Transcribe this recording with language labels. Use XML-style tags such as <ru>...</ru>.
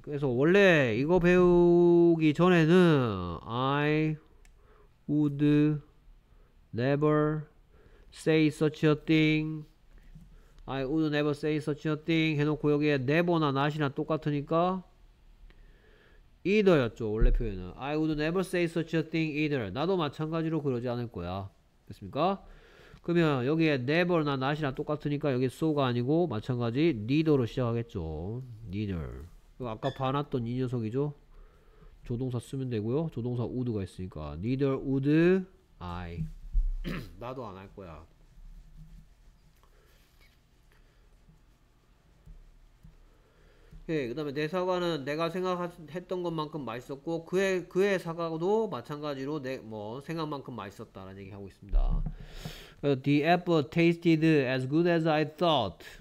<ko>그래서 원래 이거 배우기 전에는</ko> <en>I would never say such a thing. I would never say such a thing.</en> <ko>해놓고 여기에</ko> <en>never나 not이나 똑같으니까 either였죠.</en> <ko>원래 표현은</ko> <en>I would never say such a thing either.</en> <ko>나도 마찬가지로 그러지 않을 거야. 됐습니까? 그러면 여기에 never나 not이나 똑같으니까 여기 so가 아니고 마찬가지 neither로 시작하겠죠. neither. 아까 봐놨던 이 녀석이죠. 조동사 쓰면 되고요. 조동사 would가 있으니까</ko> <en>neither would I.</en> <ko>나도 안할 거야. 오케이. 그 다음에 내 사과는 내가 생각했던 것만큼 맛있었고, 그의 사과도 마찬가지로 내뭐 생각만큼 맛있었다라는 얘기 하고 있습니다.</ko> <en>The apple tasted as good as I thought.</en>